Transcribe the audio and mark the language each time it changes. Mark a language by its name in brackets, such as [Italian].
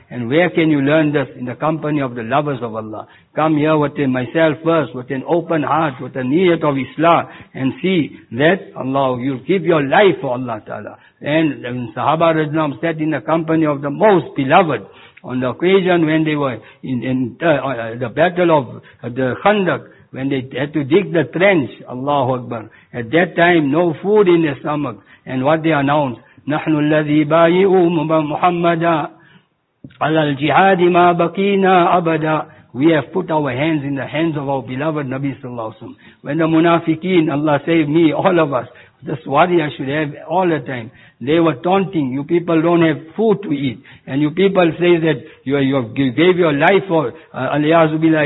[English] And where can you learn this? In the company of the lovers of Allah. Come here with myself first, with an open heart, with a niyat of islah, and see that Allah, you'll give your life for Allah ta'ala. And Sahaba Rajnam sat in the company of the most beloved. On the occasion when they were in the battle of the Khandaq, when they had to dig the trench, Allahu Akbar, at that time no food in their stomach. And what they announced, [Arabic] نَحْنُ الَّذِي بَايِعُوا مُحَمَّدًا عَلَى الْجِهَادِ مَا بَقِينَا أَبَدًا. [English] We have put our hands in the hands of our beloved Nabi Sallallahu Alaihi Wasallam. When the munafiqeen, Allah save me, all of us, this worry I should have all the time, they were taunting, you people don't have food to eat. And you people say that you gave your life for Aliyazu Billah.